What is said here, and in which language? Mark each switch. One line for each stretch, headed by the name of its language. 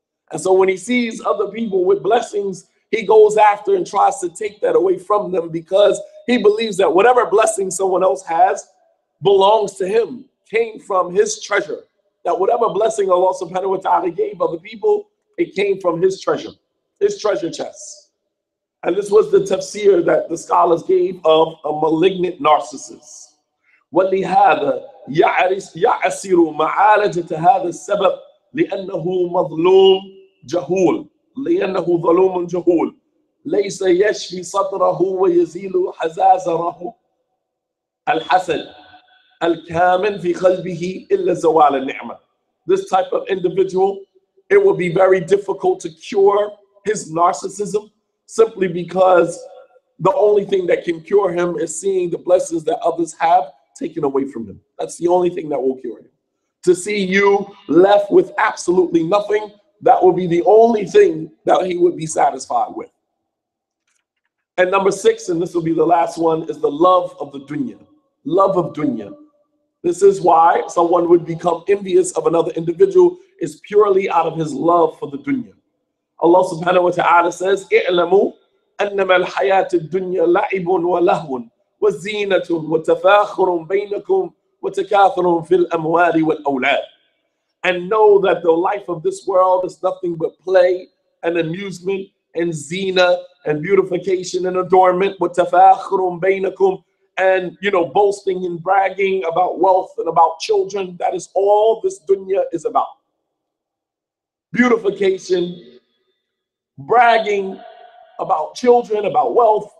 English: And so when he sees other people with blessings, he goes after and tries to take that away from them, because he believes that whatever blessing someone else has belongs to him, came from his treasure. That whatever blessing Allah subhanahu wa ta'ala gave other people, it came from his treasure chest. And this was the tafsir that the scholars gave of a malignant narcissist.
Arabic: وَلِهَذَا يَعَسِرُ مَعَالَجَةَ هَذَا السَّبَبْ لِأَنَّهُ مَظْلُومٌ جَهُولٌ لأنه ظلوم جهول ليس يشفي صدره ويزيل حزازره الحسد الكامن في قلبه إلا زوال النعمة.
English: This type of individual it will be very difficult to cure his narcissism, simply because the only thing that can cure him is seeing the blessings that others have taken away from him. That's the only thing that will cure him. To see you left with absolutely nothing, that will be the only thing that he would be satisfied with. And number six, and this will be the last one, is the love of the dunya. Love of dunya. This is why someone would become envious of another individual, is purely out of his love for the dunya. Allah subhanahu wa ta'ala says,
Arabic: اِعْلَمُوا أَنَّمَا الْحَيَاةِ الدُّنْيَا لَعِبٌ وَلَهْوٌ وَزِينَةٌ وَتَفَاخُرٌ بَيْنَكُمْ وَتَكَاثُرٌ فِي الْأَمْوَالِ وَالْأَوْلَادِ.
English: And know that the life of this world is nothing but play and amusement and zina and beautification and adornment,
Arabic: وَتَفَاخُرٌ بَيْنَكُمْ,
English: and, you know, boasting and bragging about wealth and about children. That is all this dunya is about. Beautification, bragging about children, about wealth.